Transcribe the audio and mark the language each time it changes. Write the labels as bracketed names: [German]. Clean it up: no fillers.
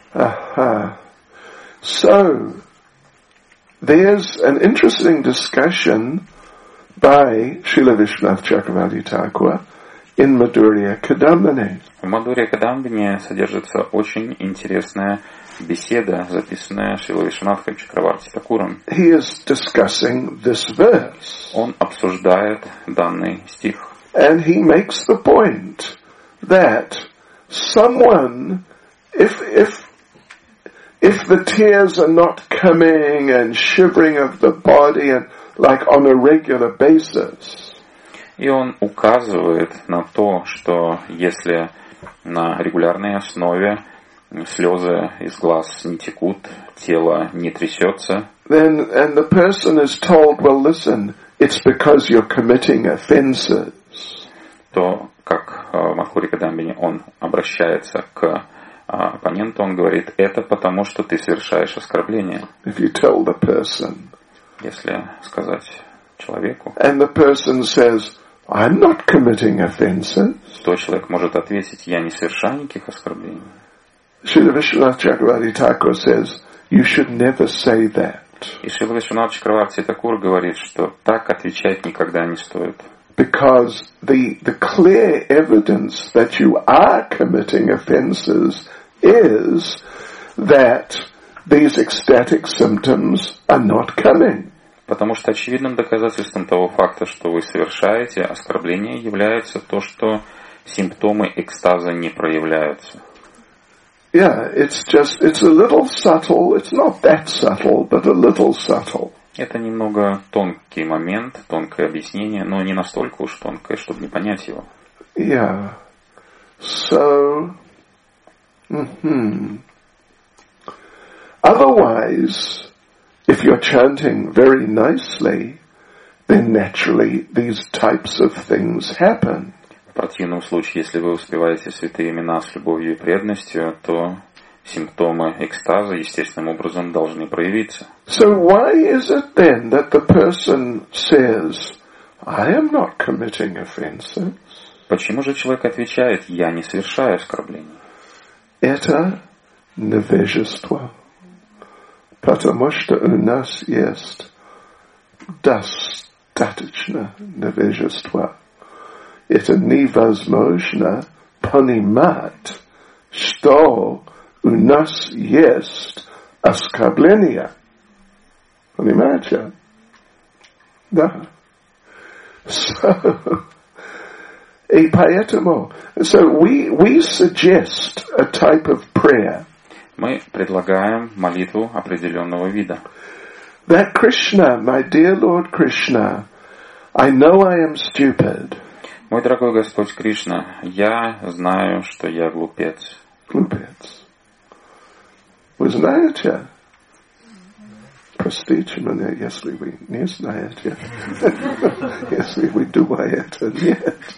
[English] Ага. So, there's an interesting discussion by Srila Vishwanatha Chakravarti Thakura in Madhurya Kadambini. [Russian] В Мадхурья Кадамбини содержится очень интересная беседа, записанная Шрилой Вишванатхой Чакраварти Такуром. [English] He is discussing this verse. [Russian] Он обсуждает данный стих. [English] And he makes the point that someone, if the tears are not coming and shivering of the body and like on a regular basis. [Russian] И он указывает на то, что если на регулярной основе слезы из глаз не текут, тело не трясется, [English] then, and the person is told, well, listen, it's because you're committing offenses. [Russian] То, как в Мадхурья Кадамбини он обращается к оппоненту, он говорит, это потому, что ты совершаешь оскорбление. [English] If you tell the person, [Russian] если сказать человеку, [English] and the person says, I'm not committing offenses. [Russian] То человек может ответить, я не совершаю никаких оскорблений. [English] Srila Vishwanatha Chakravarti Thakura says, you should never say that. [Russian] И Srila Vishwanatha Chakravarti Thakura говорит, что так отвечать никогда не стоит. [English] Because the clear evidence that you are committing offenses is that these ecstatic symptoms are not coming. [Russian] Потому что очевидным доказательством того факта, что вы совершаете оскорбление, является то, что симптомы экстаза не проявляются. [English] Yeah, it's just it's a little subtle, it's not that subtle, but a little subtle. [Russian] Это немного тонкий момент, тонкое объяснение, но не настолько уж тонкое, чтобы не понять его. [English] Yeah. So. Otherwise. If you're chanting very nicely, then naturally these types of things happen. [Russian] В противном случае, если вы успеваете святые имена с любовью и преданностью, то симптомы экстаза естественным образом должны проявиться. [English] So why is it then that the person says, I am not committing offenses? [Russian] Почему же человек отвечает, я не совершаю оскорблений? Это невежество. Потому что у нас есть достаточно невежества. Это невозможно понимать, что у нас есть оскорбление. Понимаете? Да. [English] So, [Russian] и поэтому, [English] so we suggest a type of prayer. [Russian] Мы предлагаем молитву определенного вида. [English] That Krishna, my dear Lord Krishna, I know I am stupid. [Russian] Мой дорогой Господь Кришна, я знаю, что я глупец. Глупец. Вы знаете? Простите меня, если вы не знаете. Если вы думаете, нет.